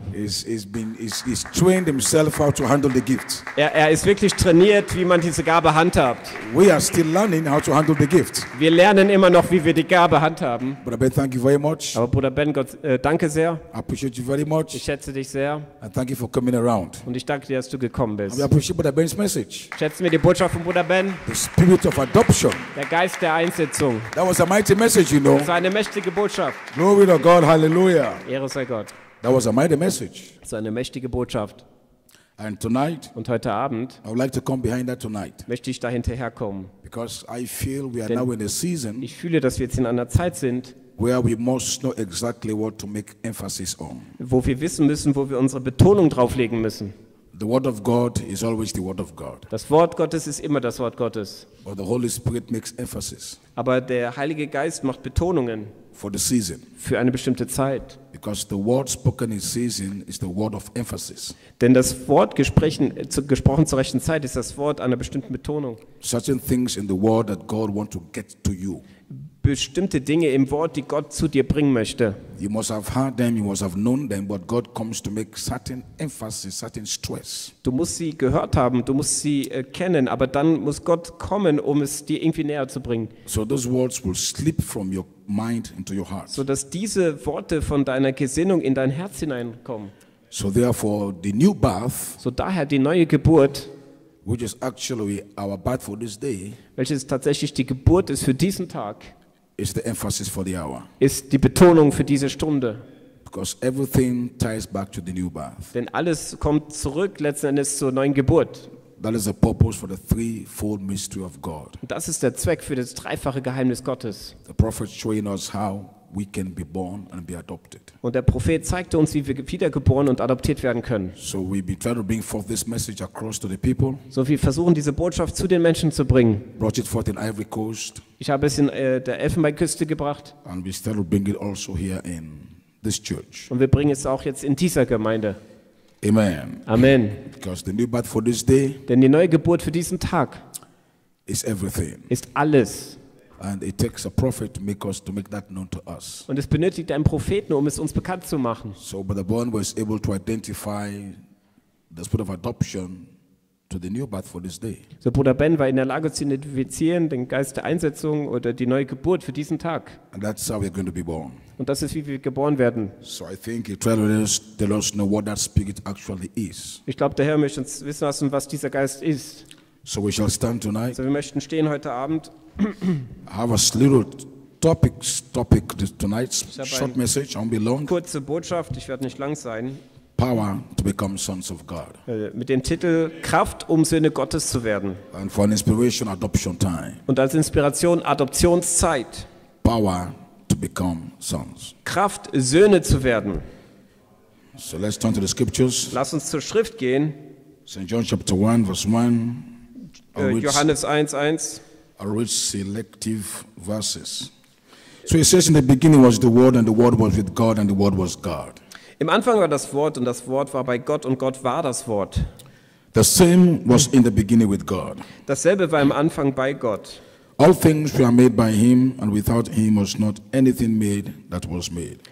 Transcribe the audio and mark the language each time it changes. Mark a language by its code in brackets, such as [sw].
[en] He's trained himself how to handle the gift. [de] Er ist wirklich trainiert, wie man diese Gabe handhabt. [en] We are still learning how to handle the gift. [de] Wir lernen immer noch, wie wir die Gabe handhaben. [en] Brother Ben, thank you very much. [de] Aber Bruder Ben, Gott, danke sehr. [en] I appreciate you very much. [de] Ich schätze dich sehr. [en] And thank you for coming around. [de] Und ich danke dir, dass du gekommen bist. [en] We appreciate Brother Ben's message. [de] Schätzen wir die Botschaft von Bruder Ben. [en] The spirit of adoption. [de] Der Geist der Einsetzung. [en] That was a mighty message, you know. [de] Das war eine mächtige Botschaft. [en] Glory to God, hallelujah. [de] Ehre sei Gott. [en] That was a mighty message. [de] So eine mächtige Botschaft. [en] And tonight, [de] und heute Abend, [en] I would like to come behind that tonight. [de] Möchte ich dahinter herkommen. [en] Because I feel we are now in a season. [de] Ich fühle, dass wir jetzt in einer Zeit sind, [en] where we must know exactly what to make emphasis on. [de] Wo wir wissen müssen, wo wir unsere Betonung drauflegen müssen. [en] The word of God is always the word of God. [de] Das Wort Gottes ist immer das Wort Gottes. [en] But the Holy Spirit makes emphasis. [de] Aber der Heilige Geist macht Betonungen. [en] For the season. [de] Für eine bestimmte Zeit. [en] Because the word spoken in season is the word of emphasis. [de] Denn das Wort gesprochen zur rechten Zeit ist das Wort einer bestimmten Betonung. [en] Certain things in the word that God wants to get to you. [de] Bestimmte Dinge im Wort, die Gott zu dir bringen möchte. [en] You must have heard them, you must have known them, but God comes to make certain emphasis, certain stress. [de] Du musst sie gehört haben, du musst sie kennen, aber dann muss Gott kommen, um es dir irgendwie näher zu bringen. [en] So those words will slip from your mind into your heart. [de] So dass diese Worte von deiner Gesinnung in dein Herz hineinkommen. [en] So therefore the new birth. [de] So daher die neue Geburt. [en] Which is actually our birth for this day. [de] Welches tatsächlich die Geburt ist für diesen Tag. [en] Is the emphasis for the hour. [de] Ist die Betonung für diese Stunde. [en] Because everything ties back to the new birth. [de] Denn alles kommt zurück letzten Endes zur neuen Geburt. [en] That is the purpose for the threefold mystery of God. [de] Das ist der Zweck für das dreifache Geheimnis Gottes. [en] The prophet showing us how we can be born and be adopted. [de] Und der Prophet zeigte uns, wie wir wiedergeboren und adoptiert werden können. [en] So we be trying to bring forth this message across to the people. [de] So wir versuchen diese Botschaft zu den Menschen zu bringen. [en] Brought it forth in Ivory Coast. [de] Ich habe es in der Elfenbeinküste gebracht. [en] And we still bring it also here in this church. [de] Und wir bringen es auch jetzt in dieser Gemeinde. [en] Amen. [de] Amen. [en] Because the new birth for this day. [de] Denn die neue Geburt für diesen Tag. [en] Is everything. [de] Ist alles. [en] And it takes a prophet to make us to make that known to us. [de] Und es benötigt einen Propheten, um es uns bekannt zu machen. [en] So Brother Bourne was able to identify the spirit of adoption to the new birth for this day. [de] So Bruder Ben war in der Lage zu identifizieren den Geist der Einsetzung oder die neue Geburt für diesen Tag. [en] And that's how we're going to be born. [de] Und das ist, wie wir geboren werden. [en] So I think tell us know what that spirit actually is. [de] Ich glaube, der Herr möchte uns wissen lassen, was dieser Geist ist. [en] So we shall stand tonight. [de] So wir möchten stehen heute Abend. [en] I have a little topic tonight's short message. I won't be long. [de] Kurze Botschaft. Ich werde nicht lang sein. [en] Power to become sons of God. [de] Mit dem Titel Kraft, um Söhne Gottes zu werden. [en] And for an inspiration, adoption time. [de] Und als Inspiration Adoptionszeit. [en] Power. To become sons. [de] Kraft, Söhne zu werden. [en] So let's turn to the scriptures. [de] Lass uns zur Schrift gehen. [en] St. John chapter 1, verse 1. [de] Johannes 1, 1. [en] I read selective verses. So it says, in the beginning was the Word, and the Word was with God, and the Word was God. [de] Im Anfang war das Wort, und das Wort war bei Gott, und Gott war das Wort. [en] The same was in the beginning with God. [de] Dasselbe war im Anfang bei Gott. [en] All things were made by him, and without him was not anything made that was made.